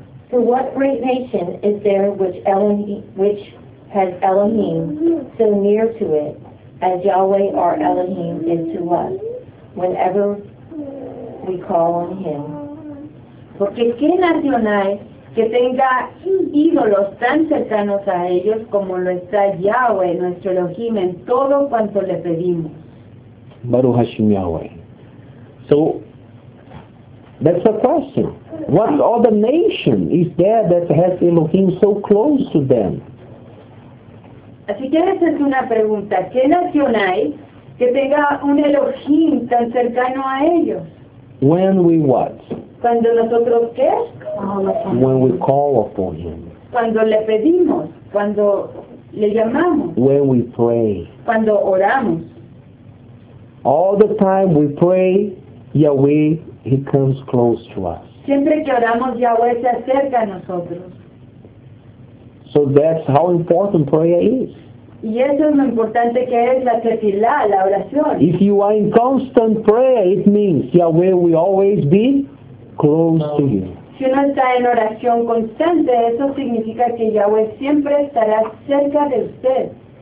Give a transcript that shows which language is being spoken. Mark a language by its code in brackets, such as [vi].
[en] For what great nation is there which has Elohim so near to it as Yahweh our Elohim is to us whenever we call on Him? [es] Porque qué nación hay que tenga ídolos tan cercanos a ellos como lo está Yahweh nuestro Elohim en todo cuanto le pedimos. [he] Baruch Hashem Yahweh. [en] So, that's a question. What other nation is there that has Elohim so close to them? [es] Así que esa es una pregunta. ¿Qué nación hay que tenga un Elohim tan cercano a ellos? [en] When we what? [es] Cuando nosotros qué? [en] When we call upon Him. [es] Cuando le pedimos, cuando le llamamos. [en] When we pray. [es] Cuando oramos. [en] All the time we pray, Yahweh, He comes close to us. [es] Siempre que oramos, Yahweh se acerca a nosotros. [en] So that's how important prayer is. [es] Y eso es lo importante que es la tefilá, la oración. [en] If you are in constant prayer, it means Yahweh will always be close to you. [es] Si uno está en oración constante, eso significa que Yahweh siempre estará cerca de usted.